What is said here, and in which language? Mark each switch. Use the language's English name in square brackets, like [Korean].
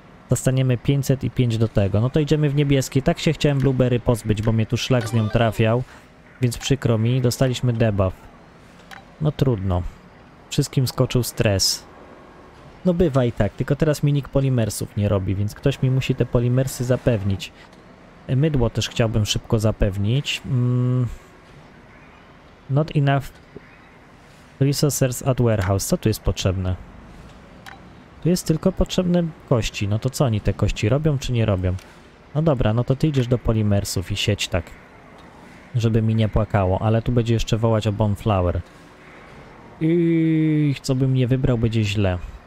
[Polish] Dostaniemy 505 do tego. No to idziemy w niebieski. Tak się chciałem blueberry pozbyć, bo mnie tu szlak z nią trafiał. Więc przykro mi. Dostaliśmy debuff. No trudno. Wszystkim skoczył stres. No bywa i tak. Tylko teraz mi nikt polimersów nie robi, więc ktoś mi musi te polimersy zapewnić. Mydło też chciałbym szybko zapewnić. [English] Not enough resources at warehouse. [Polish] Co tu jest potrzebne? Tu jest tylko potrzebne kości. No to co oni te kości robią, czy nie robią? No dobra, no to ty idziesz do polimersów i sieć tak, żeby mi nie płakało. Ale tu będzie jeszcze wołać o bonflower. I co bym nie wybrał, będzie źle.